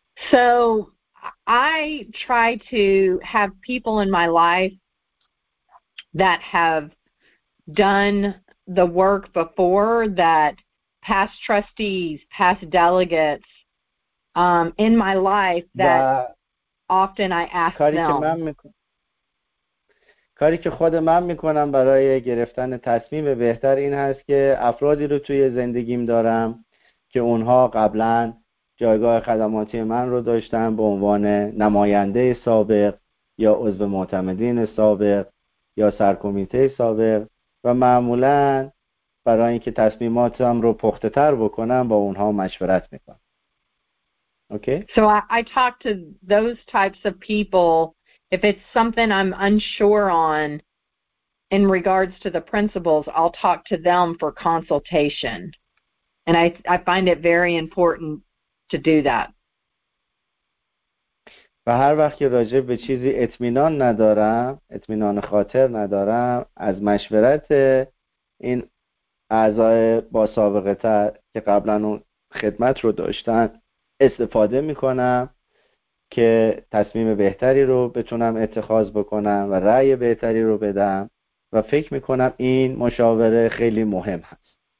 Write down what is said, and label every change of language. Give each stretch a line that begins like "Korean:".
English: So I try to have people in my life that have done the work before, that past trustees, past delegates in my life that often I ask them.
Persian: کاری که خود من میکنم برای گرفتن تصمیم بهتر این هست که افرادی رو توی زندگیم دارم که اونها قبلا جایگاه خدماتی من رو داشتن به عنوان نماینده سابق یا عضو معتمدین سابق یا سرکمیته سابق و معمولا برای اینکه تصمیماتم رو پخته تر بکنم با اونها مشورت میکنم. اوکی؟
English: So I talk to those types of people. If it's something I'm unsure on in regards to the principles, I'll talk to them for consultation. And I find it very important to do that.
Persian: و هر وقت که راجع به چیزی اطمینان خاطر ندارم، از مشورت این اعضای با سابقه تر که قبلا اون خدمت رو داشتن استفاده میکنم که تصمیم بهتری رو بتونم اتخاذ بکنم و رأی بهتری رو بدم و فکر میکنم این مشاوره خیلی مهم هست.